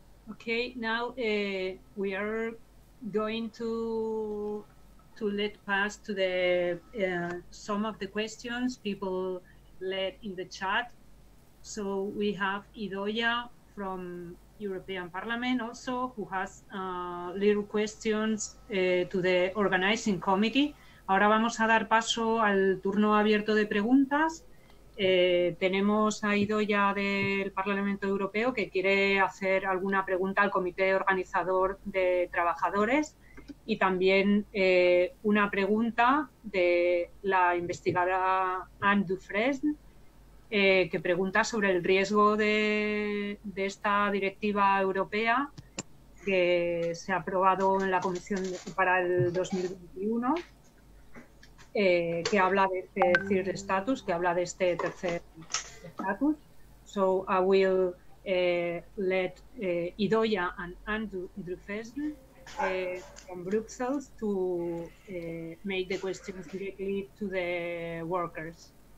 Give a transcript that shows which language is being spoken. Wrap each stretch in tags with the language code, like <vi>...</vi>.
<en>Okay, now we are going to let pass to the some of the questions people let in the chat. So we have Idoya from European Parliament also, who has little questions to the organizing committee.</en> <es>Ahora vamos a dar paso al turno abierto de preguntas. Tenemos a Idoya del Parlamento Europeo que quiere hacer alguna pregunta al comité organizador de trabajadores. Y también una pregunta de la investigadora Anne Dufresne, que pregunta sobre el riesgo de esta directiva europea que se ha aprobado en la Comisión para el 2021, que habla de este</es> <en>third status,</en> <es>que habla de este tercer status.</es> <en>So I will let Idoya and Anne Dufresne from Brussels to make the questions directly to the workers.</en>